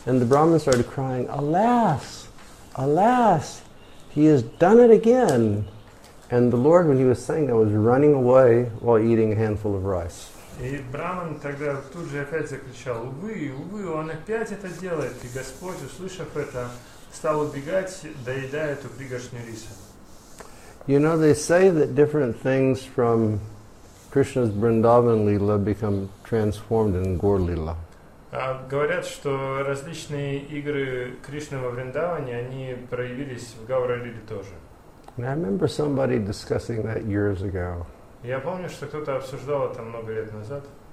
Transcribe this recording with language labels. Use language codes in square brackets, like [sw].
[en] And the Brahmin started crying, "Alas, alas, he has done it again." And the Lord, when he was saying that, was running away while eating a handful of rice. [ru] И Брахман тогда тут же опять закричал, "Увы, увы, он опять это делает!" И Господь, услышав это, стал убегать, доедая эту пригоршню риса. [en] You know, they say that different things from Krishna's Vrindavan Leela become transformed in Gaur Leela. [ru] Говорят, что различные игры Кришны во Вриндаване, они проявились в Гаура Лиле тоже. [en] And I remember somebody discussing that years ago. [ru] Я помню, что кто-то обсуждал это много лет назад.